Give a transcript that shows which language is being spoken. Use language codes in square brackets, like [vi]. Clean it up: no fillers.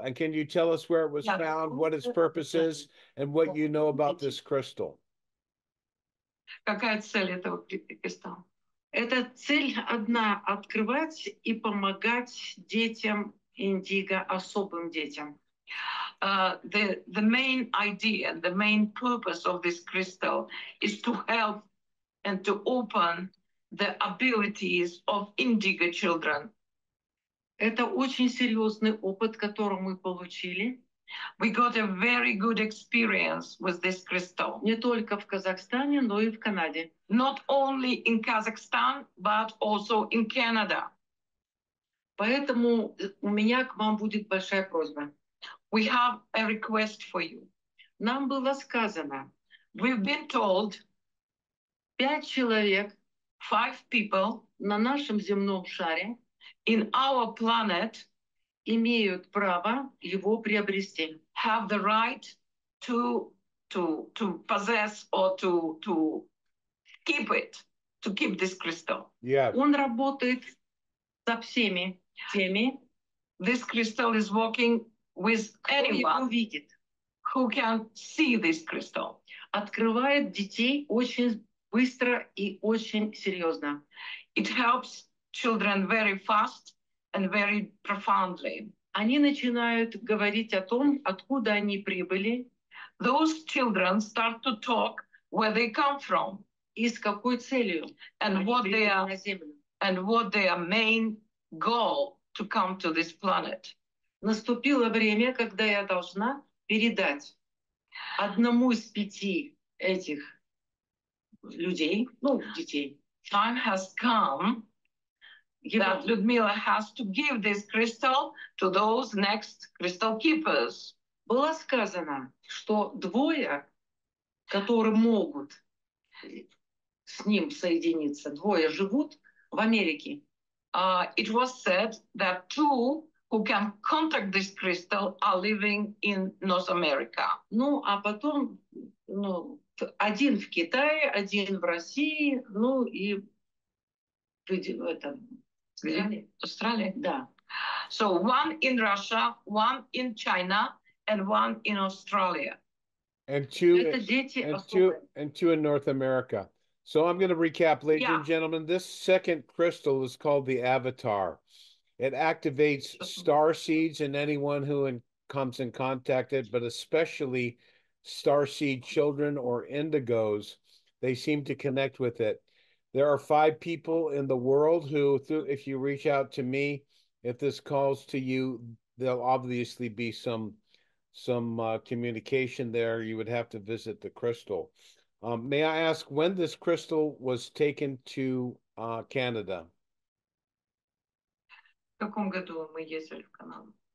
[en] And can you tell us where it was found, what its purpose is, and what you know about this crystal? [ru] Какая цель этого кристалла? Это цель одна – открывать и помогать детям индиго, особым детям. [en] The main idea, the main purpose of this crystal is to help and to open the abilities of indigo children. [ru] Это очень серьезный опыт, который мы получили. [en] We got a very good experience with this crystal. [ru] Не только в Казахстане, но и в Канаде. [en] Not only in Kazakhstan, but also in Canada. [ru] Поэтому у меня к вам будет большая просьба. [en] We have a request for you. [ru] Нам было сказано. [en] We've been told. [ru] Пять человек. [en] Five people. [ru] На нашем земном шаре. [en] In our planet. [ru] Имеют право его приобрести. [en] Have the right to possess or to keep it, to keep this crystal. Yeah. [ru] Он работает со всеми теми. [en] This crystal is working with anyone who can see this crystal. [ru] Открывает детей очень быстро и очень серьезно. [en] It helps children very fast. And very profoundly. [ru] Они начинают говорить о том, откуда они прибыли. [en] Those children start to talk where they come from. [ru] И с какой целью. [en] And what they are, and what their main goal to come to this planet. [ru] Наступило время, когда я должна передать одному из пяти этих людей, ну, детей. [en] Time has come. That Ludmila has to give this crystal to those next crystal keepers. [ru] Было сказано, что двое, которые могут с ним соединиться, двое живут в Америке. [en] It was said that two who can contact this crystal are living in North America. [ru] Ну, а потом, ну, один в Китае, один в России, ну и в этом. [en] Australia. [ru] Да. [en] So one in Russia, one in China, and one in Australia. And two in North America. So I'm going to recap, ladies and gentlemen. This second crystal is called the Avatar. It activates star seeds in anyone who comes in contact with it, but especially star seed children or indigos. They seem to connect with it. There are five people in the world who, if you reach out to me, if this calls to you, there'll obviously be some communication there. You would have to visit the crystal. May I ask when this crystal was taken to Canada? [ru] В каком году мы ездили в Канаду?